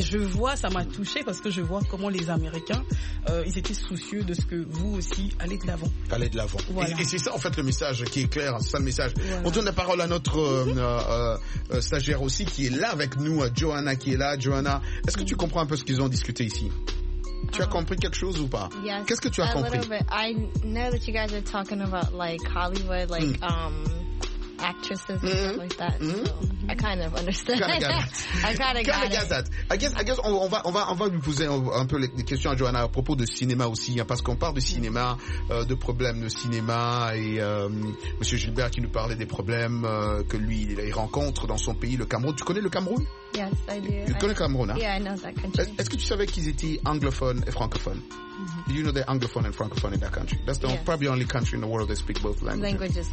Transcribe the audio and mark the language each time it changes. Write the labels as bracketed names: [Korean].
[French] Je vois, ça m'a touchée parce que je vois comment les Américains, ils étaient soucieux de ce que vous aussi allez de l'avant. Allez de l'avant. Voilà. Et c'est ça en fait le message qui est clair, c'est ça le message. Voilà. On donne la parole à notre stagiaire aussi qui est là avec nous, Johanna qui est là. Johanna, est-ce que tu comprends un peu ce qu'ils ont discuté ici? Tu as compris quelque chose ou pas? [English] Yes, [French] qu'est-ce que tu as compris? [English] A little bit. I know that you guys are talking about like Hollywood, like actresses and stuff like that. Mm-hmm. So I kind of understand. I kind of got it. I guess [French] on va lui poser un peu les questions à Johanna à propos de cinéma aussi, hein, parce qu'on parle de cinéma, de problèmes de cinéma et Monsieur Gilbert qui nous parlait des problèmes que lui il rencontre dans son pays, le Cameroun. Tu connais le Cameroun? [English] Yes, I do. [French] Tu connais le Cameroun, hein? [English] Yeah, I know that country. [French] Est-ce que tu savais qu'ils étaient anglophones et francophones? Mm-hmm. [English] You know they're anglophone and francophone in that country. That's probably the only country in the world that speak both languages.